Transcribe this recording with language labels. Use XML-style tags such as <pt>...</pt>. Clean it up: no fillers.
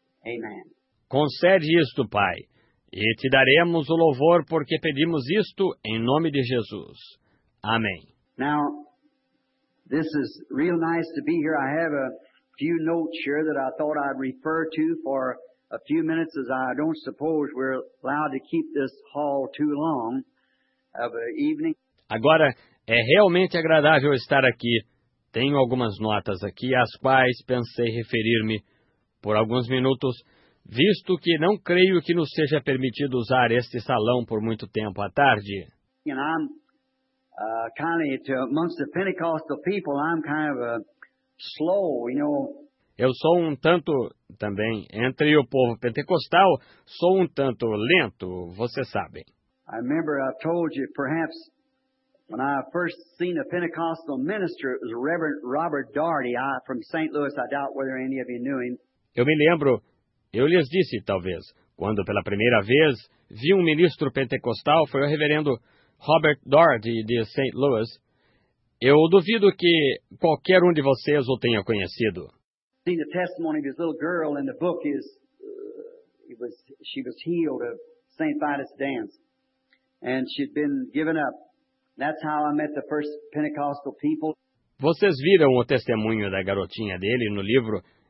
<en>Amen.</en> <pt>Concede isto, Pai, e te daremos o louvor porque pedimos isto em nome de Jesus. Amém.</pt> <en>Now, this is real nice to be here. I have a few notes here that I thought I'd refer to for a few minutes, as I don't suppose we're allowed to keep this hall too long of an evening.</en> <pt>Agora, é realmente agradável estar aqui. Tenho algumas notas aqui às quais pensei referir-me por alguns minutos, visto que não creio que nos seja permitido usar este salão por muito tempo à tarde.</pt> <en>And I'm kind of, to amongst the Pentecostal people, I'm kind of a slow, you know.</en> <pt>Eu sou um tanto, também, entre o povo pentecostal, sou um tanto lento, você sabe.</pt> <en>I remember I told you, perhaps, when I first seen a Pentecostal minister, it was Reverend Robert Daugherty, from St. Louis. I doubt whether any of you knew him.</en> <pt>Eu me lembro, eu lhes disse, talvez, quando pela primeira vez vi um ministro pentecostal, foi o reverendo Robert Daugherty, de St. Louis. Eu duvido que qualquer um de vocês o tenha conhecido.</pt> <en>See, the testimony of his little girl in the book is, she was healed of St. Vitus dance, and she'd been given up. That's how I met the first Pentecostal people.</en> <pt>Vocês viram o testemunho da garotinha dele no livro?</pt>